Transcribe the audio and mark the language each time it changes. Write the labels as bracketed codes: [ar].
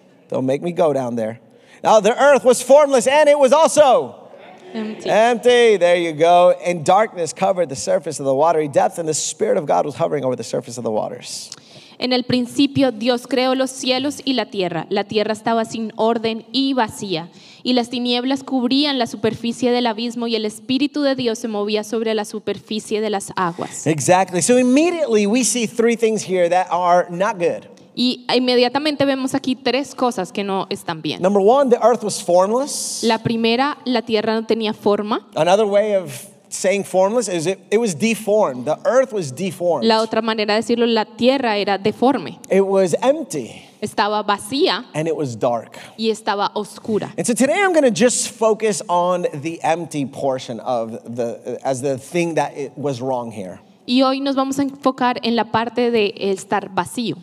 [en] Don't make me go down there. Now, the earth was formless, and it was also... Empty. Empty. There you go. And darkness covered the surface of the watery depth, and the Spirit of God was hovering over the surface of the waters. [es] En el principio, Dios creó los cielos y la tierra. La tierra estaba sin orden y vacía, y las tinieblas cubrían la superficie del abismo, y el Espíritu de Dios se movía sobre la superficie de las aguas. [en] Exactly. So immediately we see 3 things here that are not good. [es] Y inmediatamente vemos aquí 3 cosas que no están bien. [en] Number 1, the earth was formless. [es] La primera, la tierra no tenía forma. [en] Another way of saying formless is it was deformed. The earth was deformed. [es] La otra manera de decirlo, la tierra era deforme. [en] It was empty. [es] Estaba vacía. [en] And it was dark. [es] Y estaba oscura. [en] And so today I'm going to just focus on the empty portion of the as the thing that it was wrong here. [es] Y hoy nos vamos a enfocar en la parte de estar vacío.